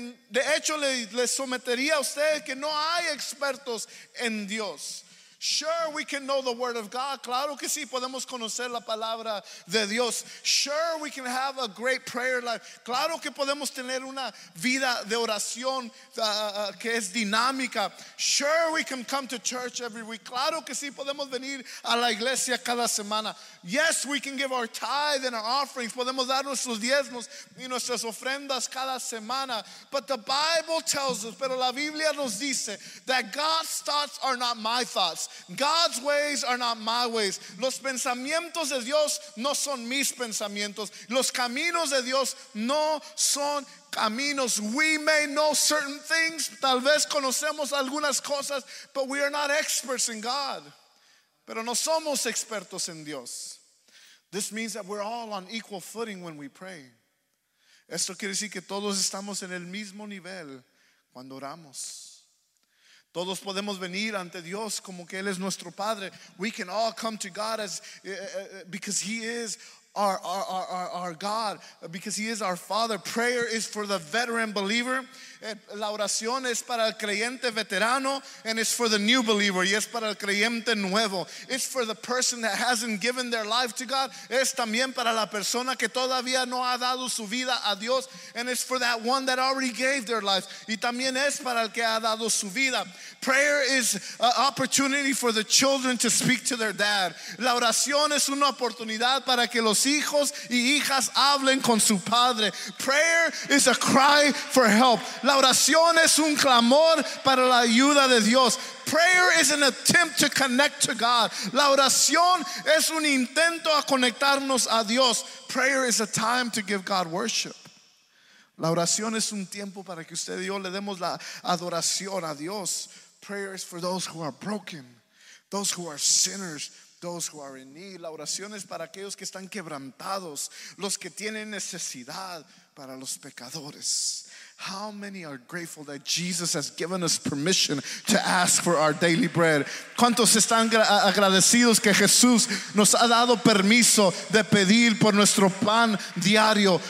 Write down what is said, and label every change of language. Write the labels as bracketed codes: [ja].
[es] De hecho, le sometería a usted que no hay expertos en Dios. [en] Sure, we can know the word of God. [es] Claro que sí, podemos conocer la palabra de Dios. [en] Sure, we can have a great prayer life. [es] Claro que podemos tener una vida de oración que es dinámica. [en] Sure, we can come to church every week. [es] Claro que sí, podemos venir a la iglesia cada semana. [en] Yes, we can give our tithe and our offerings. [es] Podemos dar nuestros diezmos y nuestras ofrendas cada semana. [en] But the Bible tells us, [es] pero la Biblia nos dice, [en] that God's thoughts are not my thoughts. God's ways are not my ways. [es] Los pensamientos de Dios no son mis pensamientos. Los caminos de Dios no son caminos. [en] We may know certain things, [es] tal vez conocemos algunas cosas, [en] but we are not experts in God. [es] Pero no somos expertos en Dios. [en] This means that we're all on equal footing when we pray. [es] Esto quiere decir que todos estamos en el mismo nivel cuando oramos. Todos podemos venir ante Dios como que Él es nuestro Padre. [en] We can all come to God as because He is our God, because He is our Father. Prayer is for the veteran believer. [es] La oración es para el creyente veterano, [en] and it's for the new believer. [es] Y es para el creyente nuevo. [en] It's for the person that hasn't given their life to God. [es] Es también para la persona que todavía no ha dado su vida a Dios. [en] And it's for that one that already gave their life. [es] Y también es para el que ha dado su vida. [en] Prayer is an opportunity for the children to speak to their dad. [es] La oración es una oportunidad para que los hijos y hijas hablen con su padre. [en] Prayer is a cry for help. [es] La oración es un clamor para la ayuda de Dios. [en] Prayer is an attempt to connect to God. [es] La oración es un intento a conectarnos a Dios. [en] Prayer is a time to give God worship. [es] La oración es un tiempo para que usted y yo le demos la adoración a Dios. [en] Prayer is for those who are broken, those who are sinners, those who are in need. [es] La oración es para aquellos que están quebrantados, los que tienen necesidad, para los pecadores. [en] How many are grateful that Jesus has given us permission to ask for our daily bread? [es] ¿Cuántos están agradecidos que Jesús nos ha dado permiso de pedir por nuestro pan diario?